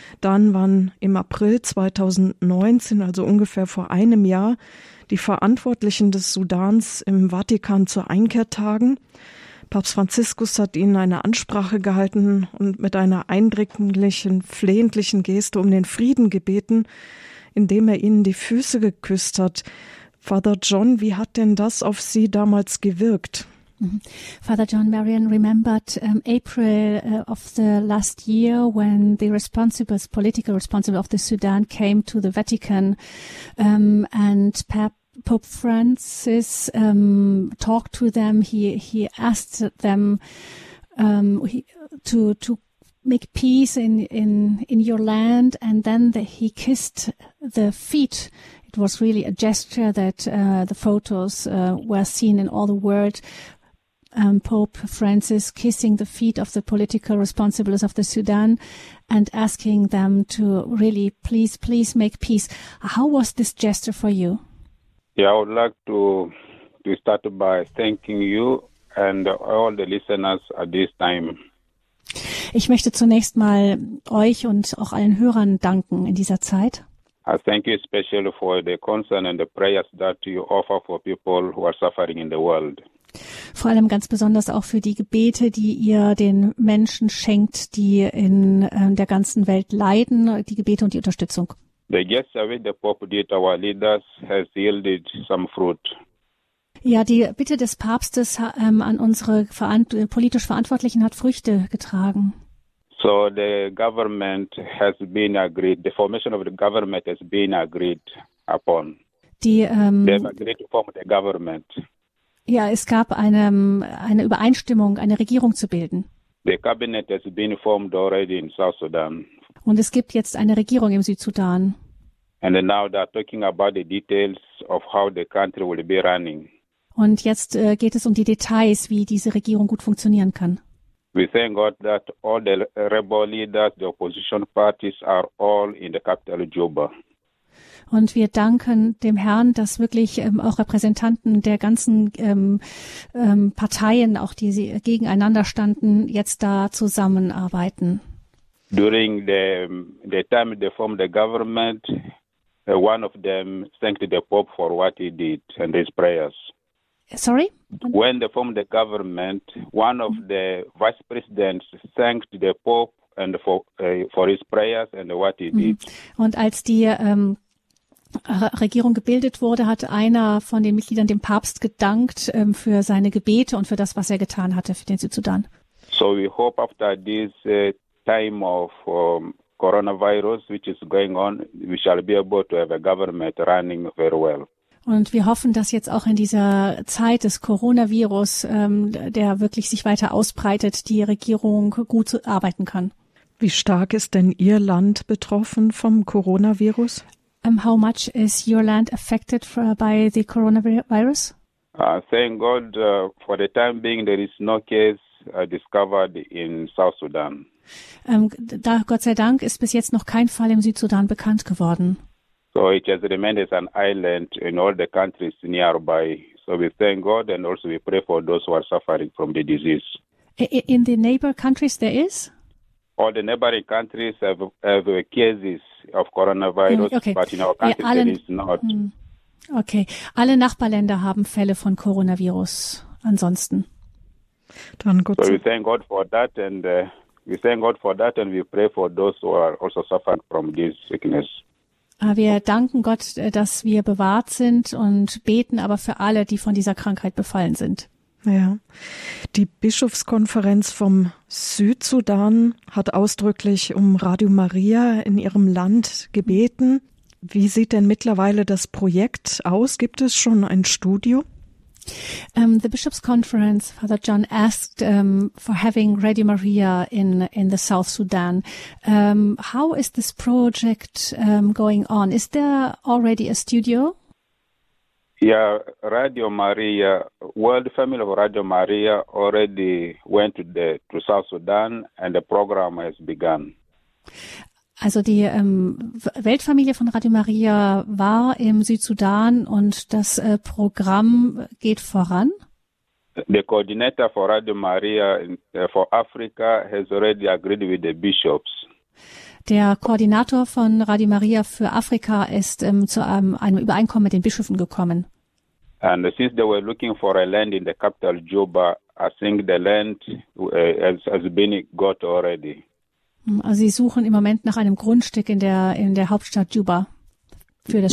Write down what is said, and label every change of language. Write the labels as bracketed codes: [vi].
[de] Dann waren im April 2019, also ungefähr vor einem Jahr, die Verantwortlichen des Sudans im Vatikan zur Einkehr tagen. Papst Franziskus hat ihnen eine Ansprache gehalten und mit einer eindringlichen, flehentlichen Geste um den Frieden gebeten, indem er ihnen die Füße geküsst hat. Father John, wie hat denn das auf Sie damals gewirkt? [en] Father John, Marion remembered April of the last year when the political responsible of the Sudan came to the Vatican, and Pope Francis talked to them. He asked them to make peace in your land, and then he kissed the feet. It was really a gesture that the photos were seen in all the world. Pope Francis kissing the feet of the political responsibles of the Sudan and asking them to really please make peace. How was this gesture for you? Yeah, I would like to start by thanking you and all the listeners at this time. [de] Ich möchte zunächst mal euch und auch allen Hörern danken in dieser Zeit. [en] I thank you especially for the concern and the prayers that you offer for people who are suffering in the world. [de] Vor allem ganz besonders auch für die Gebete, die ihr den Menschen schenkt, die in der ganzen Welt leiden, die Gebete und die Unterstützung. [en] The gesture which the Pope did our leaders has yielded some fruit. [de] Ja, die Bitte des Papstes an unsere politisch Verantwortlichen hat Früchte getragen. [en] So the government has been agreed, the formation of the government has been agreed upon. They have agreed to form the government. [de] Ja, es gab eine Übereinstimmung, eine Regierung zu bilden. [en] The cabinet has been formed already in South Sudan. [de] Und es gibt jetzt eine Regierung im Südsudan. [en] And now they are talking about the details of how the country will be running. [de] Und jetzt geht es um die Details, wie diese Regierung gut funktionieren kann. [en] We thank God that all the rebel leaders, the opposition parties are all in the capital Juba. [de] Und wir danken dem Herrn, dass wirklich auch Repräsentanten der ganzen Parteien, auch die sie gegeneinander standen, jetzt da zusammenarbeiten. [en] During the time they formed the government, one of them thanked the Pope for what he did and his prayers. Sorry? When they formed the government, one of the vice presidents thanked the Pope and for his prayers and what he did. [de] Und als die Regierung gebildet wurde, hat einer von den Mitgliedern dem Papst gedankt für seine Gebete und für das, was er getan hatte für den Südsudan. [en] So we hope after this time of coronavirus, which is going on, we shall be able to have a government running very well. [de] Und wir hoffen, dass jetzt auch in dieser Zeit des Coronavirus, der wirklich sich weiter ausbreitet, die Regierung gut arbeiten kann. Wie stark ist denn Ihr Land betroffen vom Coronavirus? [en] How much is your land affected by the coronavirus? Thank God, for the time being, there is no case discovered in South Sudan. [de] Gott sei Dank ist bis jetzt noch kein Fall im Südsudan bekannt geworden. [en] So it has remained as an island in all the countries nearby. So we thank God and also we pray for those who are suffering from the disease. In the neighbor countries there is? All the neighboring countries have cases of coronavirus, okay. But in our country there is not. [de] Okay, alle Nachbarländer haben Fälle von Coronavirus ansonsten. Dann gut. [en] So we thank God for that and we thank God for that and we pray for those who are also suffering from this sickness. [de] Wir danken Gott, dass wir bewahrt sind und beten aber für alle, die von dieser Krankheit befallen sind. Ja, die Bischofskonferenz vom Südsudan hat ausdrücklich um Radio Maria in ihrem Land gebeten. Wie sieht denn mittlerweile das Projekt aus? Gibt es schon ein Studio? [en] The Bishops' Conference, Father John, asked for having Radio Maria in the South Sudan. How is this project going on? Is there already a studio? Yeah, Radio Maria, World Family of Radio Maria already went to South Sudan and the program has begun. [de] Also die Weltfamilie von Radio Maria war im Südsudan und das Programm geht voran. [en] The coordinator for Radio Maria for Africa has already agreed with the bishops. [de] Der Koordinator von Radio Maria für Afrika ist zu einem Übereinkommen mit den Bischöfen gekommen. [en] And since they were looking for a land in the capital Juba, I think the land has been got already. [de] Also sie suchen im Moment nach einem Grundstück in der Hauptstadt Juba für das